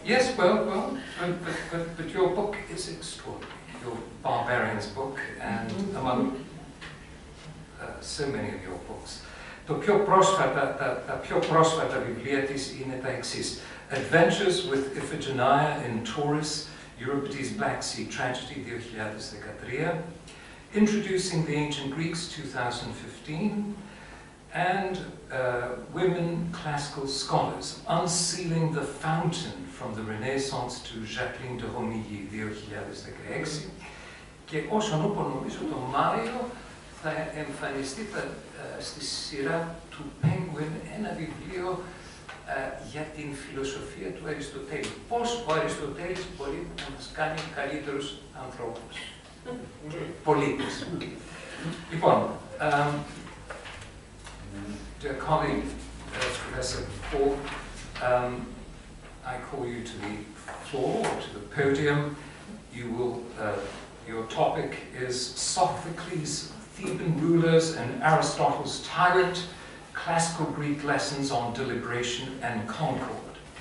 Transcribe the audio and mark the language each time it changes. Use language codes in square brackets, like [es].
[en] Yes, well, but your book is extraordinary, your Barbarian's book, and among so many of your books. [el] Τα πιο πρόσφατα βιβλία της είναι τα εξής. [en] Adventures with Iphigenia in Taurus, Euripides' Black Sea Tragedy, 2013. Introducing the Ancient Greeks, 2015. And Women Classical Scholars, Unsealing the Fountain from the Renaissance to Jacqueline de Romilly, 2016. [el] Και όσον ούπο νομίζω τον Μάριο θα εμφανιστεί στη σειρά του Penguin ένα βιβλίο για την φιλοσοφία του Αριστοτέλη. Πώς ο Αριστοτέλης μπορεί να μας κάνει καλύτερους ανθρώπους, πολίτες. Λοιπόν, [en] dear colleague, Professor Paul, I call you to the floor, or to the podium. You will, your topic is Sophocles, Theban rulers and Aristotle's tyrant, classical Greek lessons on deliberation and concord.